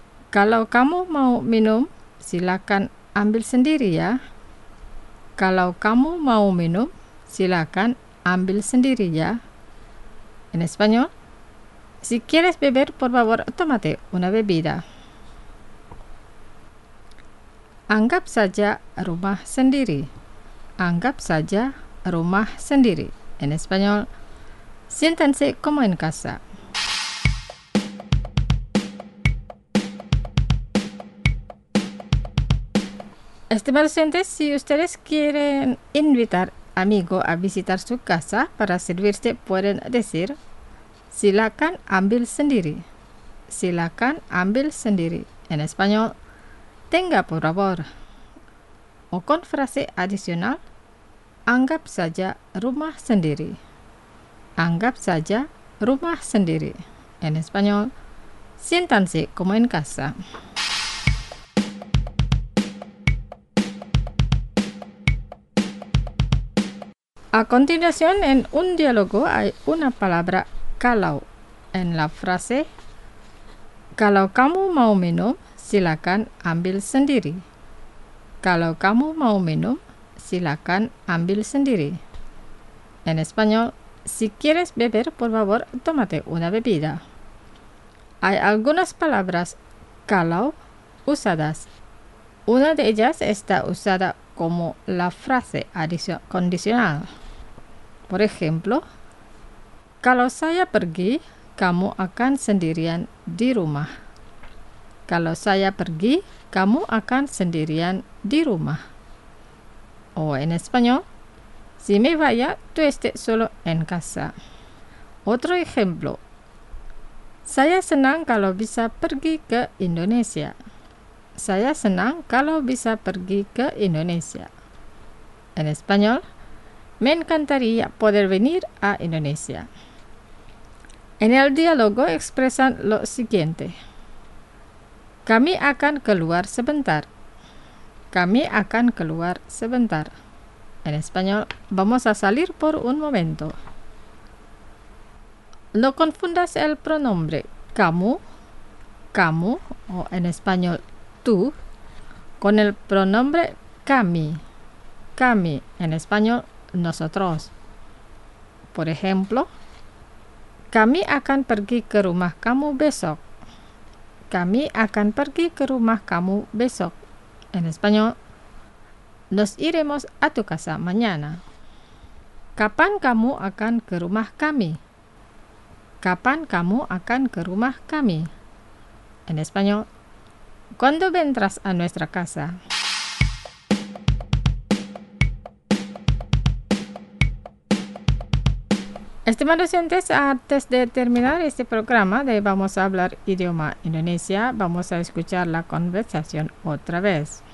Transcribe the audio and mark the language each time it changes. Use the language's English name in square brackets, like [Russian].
[Indonesian] Kalau kamu mau minum, silakan ambil sendiri ya. Kalau kamu mau minum, silakan ambil sendiri ya. [Spanish] En español, si quieres beber, por favor, tómate una bebida. [Indonesian] Anggap saja rumah sendiri. Anggap saja rumah sendiri. [Spanish] En español, siéntanse como en casa. Estimados oyentes, si ustedes quieren invitar amigo a visitar su casa para servirse, pueden decir [Indonesian] silakan ambil sendiri. Silakan ambil sendiri. [Spanish] En español, tenga por favor. O con frase adicional, [Indonesian] anggap saja rumah sendiri. Anggap saja rumah sendiri. [Spanish] En español, siéntanse como en casa. A continuación, en un diálogo hay una palabra kalau en la frase [Indonesian] kalau kamu mau minum silakan ambil sendiri. Kalau kamu mau minum silakan ambil sendiri. [Spanish] En español, si quieres beber, por favor, tómate una bebida. Hay algunas palabras kalau usadas. Una de ellas está usada como la frase condicional. Por ejemplo, [Indonesian] kalau saya pergi, kamu akan sendirian di rumah. Kalau saya pergi, kamu akan sendirian di rumah. [Spanish] O en español, si me vaya, tú estés solo en casa. Otro ejemplo. [Indonesian] Saya senang kalau bisa pergi ke Indonesia. Saya senang kalau bisa pergi ke Indonesia. [Spanish] En español, me encantaría poder venir a Indonesia. En el diálogo expresan lo siguiente. [Indonesian] Kami akan keluar sebentar. Kami akan keluar sebentar. [Spanish] En español, vamos a salir por un momento. No confundas el pronombre camu, camu, o en español tú, con el pronombre cami, cami, en español nosotros. Por ejemplo, [Indonesian] kami akan pergi ke rumah kamu besok. Kami akan pergi ke rumah kamu besok. [Spanish] En español, nos iremos a tu casa mañana. [Indonesian] Kapan kamu akan ke rumah kami? Kapan kamu akan ke rumah kami? [Spanish] En español, ¿cuándo vendrás a nuestra casa? Estimados oyentes, antes de terminar este programa de Vamos a hablar idioma Indonesia, vamos a escuchar la conversación otra vez.